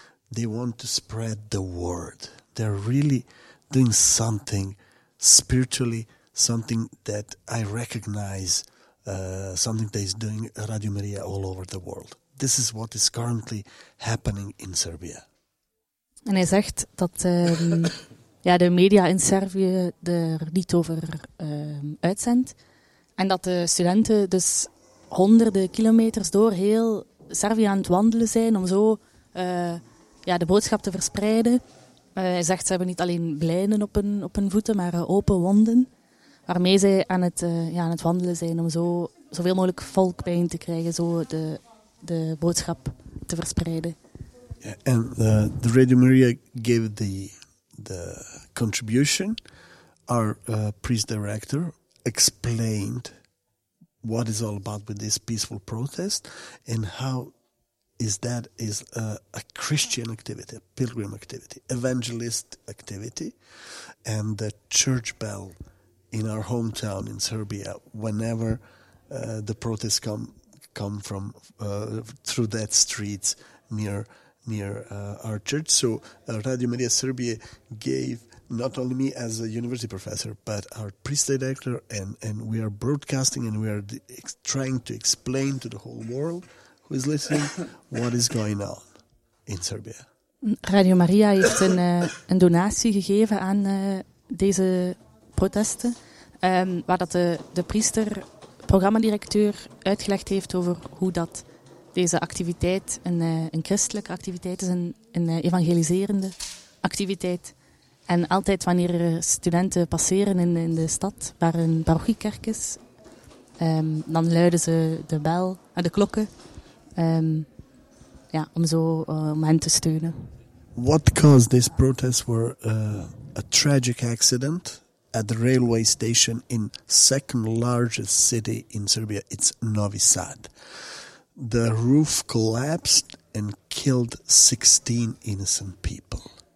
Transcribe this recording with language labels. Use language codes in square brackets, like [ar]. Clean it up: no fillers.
[en] They want to spread the word. They're really doing something spiritually, something that I recognize, something that is doing Radio Maria all over the world. This is what is currently happening in Serbia. [nl] En hij zegt dat de media in Servië er niet over uitzendt. En dat de studenten dus honderden kilometers door heel Servië aan het wandelen zijn om zo de boodschap te verspreiden. Hij zegt, ze hebben niet alleen blijnen op hun voeten, maar open wonden. Waarmee zij aan het wandelen zijn om zoveel mogelijk volk bijeen te krijgen, zo de boodschap te verspreiden. [en] Yeah, and the Radio Maria gave the contribution. Our priest director explained what is all about with this peaceful protest and how is that is a Christian activity, a pilgrim activity, evangelist activity. And the church bell in our hometown in Serbia, whenever the protests come from through that street near our church. So Radio Maria Serbia gave not only me as a university professor, but our priest director, and we are broadcasting and we are trying to explain to the whole world who is listening what is going on in Serbia. [nl] Radio Maria heeft een donatie gegeven aan deze protesten, waar dat de priester, programmadirecteur, uitgelegd heeft over hoe dat deze activiteit een christelijke activiteit is, een evangeliserende activiteit. En altijd wanneer studenten passeren in de stad, waar een parochiekerk is, dan luiden ze de bel, de klokken, om zo om hen te steunen. [en] What caused this protest were a tragic accident at the railway station in second largest city in Serbia, it's Novi Sad. The roof collapsed and killed 16 innocent people.